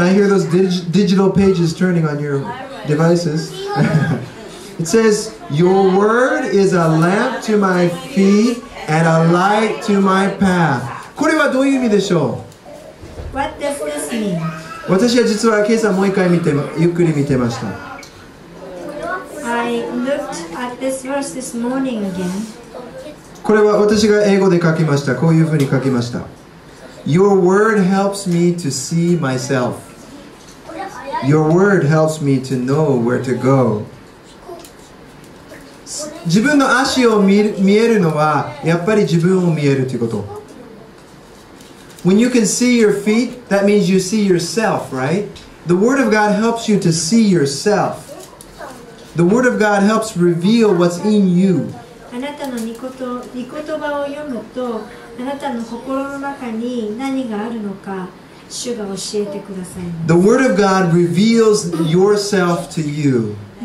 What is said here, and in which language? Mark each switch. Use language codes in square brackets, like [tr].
[en] I hear those digital pages turning on your devices. It says, "Your word is a lamp to my feet and a light to my path." [ja] これはどういう意味でしょう [en] What does this mean? [ja] 私は実は今朝もう一回見てゆっくり見てました [en] I looked at this verse this morning again [ja] これは私が英語で書きました。こういうふうに書きました。 [en] Your word helps me to see myself. Your word helps me to know where to go. [ja] 自分の足を見えるのはやっぱり自分を見えるということ。 [en] When you can see your feet, that means you see yourself, right? The word of God helps you to see yourself. The word of God helps reveal what's in you. The word of God reveals yourself to you.